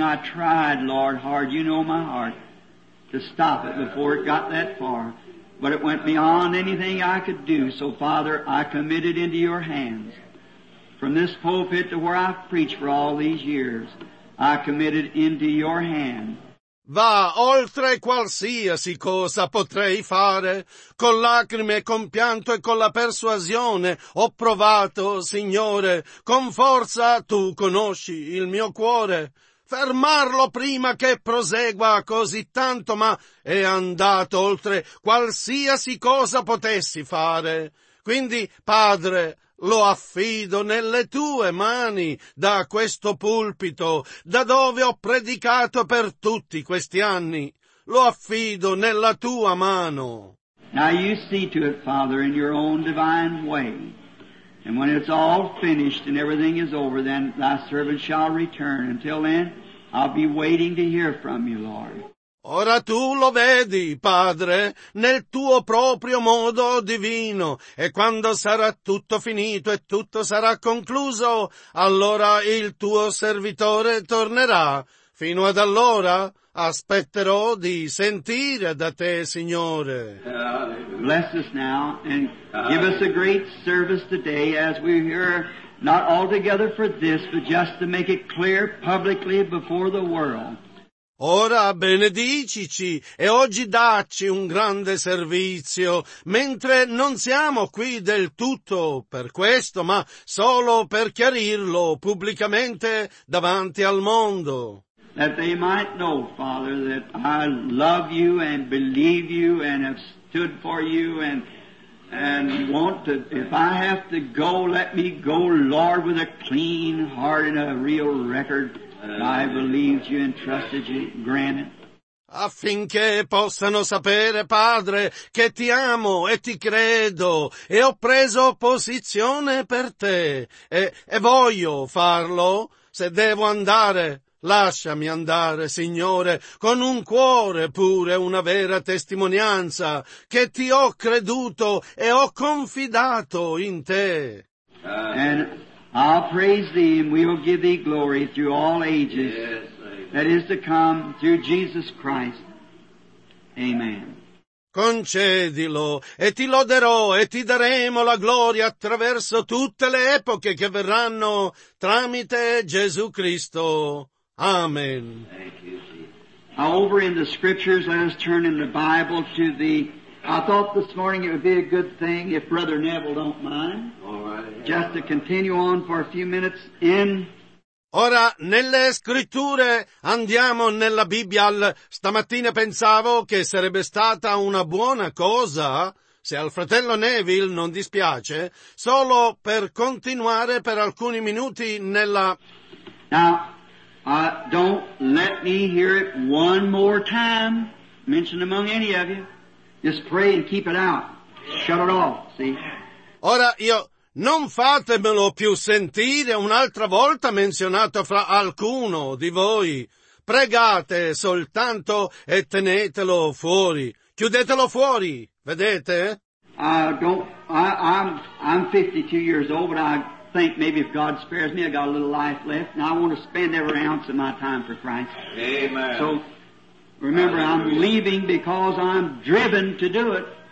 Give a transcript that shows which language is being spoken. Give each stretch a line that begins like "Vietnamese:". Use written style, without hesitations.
English: I tried, Lord, hard, you know my heart, to stop it before it got that far. But it went beyond anything I could do, so Father, I commit it into your hands. From this pulpit to where I've preached for all these years, I committed into your hand.
Italian: Va oltre qualsiasi cosa potrei fare, con lacrime e con pianto e con la persuasione ho provato, Signore, con forza tu conosci il mio cuore. Fermarlo prima che prosegua così tanto, ma è andato oltre qualsiasi cosa potessi fare. Quindi, Padre, lo affido nelle tue mani, da questo pulpito, da dove ho predicato per tutti questi anni. Lo affido nella tua mano.
English: Now you see to it, Father, in your own divine way. And when it's all finished and everything is over, then thy servant shall return. Until then, I'll be waiting to hear from you, Lord.
Italian: Ora tu lo vedi, Padre, nel tuo proprio modo divino, e quando sarà tutto finito e tutto sarà concluso, allora il tuo servitore tornerà. Fino ad allora aspetterò di sentire da te, Signore.
English: Bless us now and give us a great service today as we hear, not altogether for this, but just to make it clear publicly before the world.
Italian: Ora benedicici e oggi dacci un grande servizio, mentre non siamo qui del tutto per questo, ma solo per chiarirlo pubblicamente davanti al mondo.
English: That they might know, Father, that I love you and believe you and have stood for you and want to, if I have to go, let me go, Lord, with a clean heart and a real record. I believed you and trusted you, granted.
Italian: Affinché possano sapere, Padre, che ti amo e ti credo, e ho preso posizione per te, e voglio farlo. Se devo andare, lasciami andare, Signore, con un cuore pure, una vera testimonianza, che ti ho creduto e ho confidato in te.
English: I'll praise thee and we will give thee glory through all ages, yes, that is to come through Jesus Christ. Amen.
Italian: Concedilo e ti loderò e ti daremo la gloria attraverso tutte le epoche che verranno tramite Gesù Cristo. Amen.
English: Thank you. Now, over in the scriptures, let us turn in the Bible to the I thought this morning it would be a good thing, if Brother Neville don't mind, all right, just to continue on for a few minutes in
Italian: Ora, nelle scritture, andiamo nella Bibbia. Stamattina pensavo che sarebbe stata una buona cosa, se al fratello Neville non dispiace, solo per continuare per alcuni minuti nella...
English: Now, don't let me hear it one more time mentioned among any of you. Just pray and keep it out. Shut it off, see?
Italian: Ora, io... Non fatemelo più sentire un'altra volta menzionato fra alcuno di voi. Pregate soltanto e tenetelo fuori. Chiudetelo fuori, vedete?
English: I'm 52 years old, but I think maybe if God spares me, I got a little life left, and I want to spend every ounce of my time for Christ. Amen. So, remember, I'm leaving because I'm driven to do it.